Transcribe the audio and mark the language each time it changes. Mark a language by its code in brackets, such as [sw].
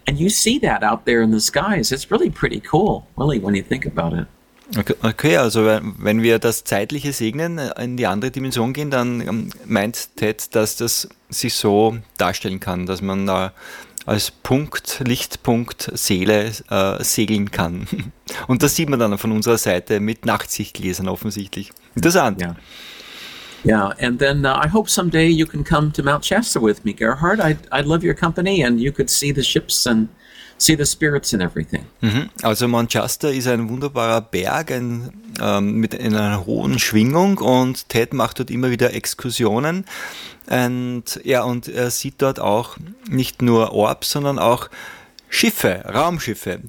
[en] And you see that out there in the skies. It's really pretty cool, really, when you think about it. [de] Okay, also wenn wir das Zeitliche segnen, in die andere Dimension gehen, dann meint Ted, dass das sich so darstellen kann, dass man da als Punkt, Lichtpunkt, Seele segeln kann. Und das sieht man dann von unserer Seite mit Nachtsichtgläsern offensichtlich. Interessant. [en] Ja, and then I hope someday you can come to Mount Shasta with me, Gerhard. I'd love your company and you could see the ships and... See the spirits in everything. [de] Also Mount Shasta ist ein wunderbarer Berg mit einer hohen Schwingung und Ted macht dort immer wieder Exkursionen und er sieht dort auch nicht nur Orbs, sondern auch Schiffe, Raumschiffe.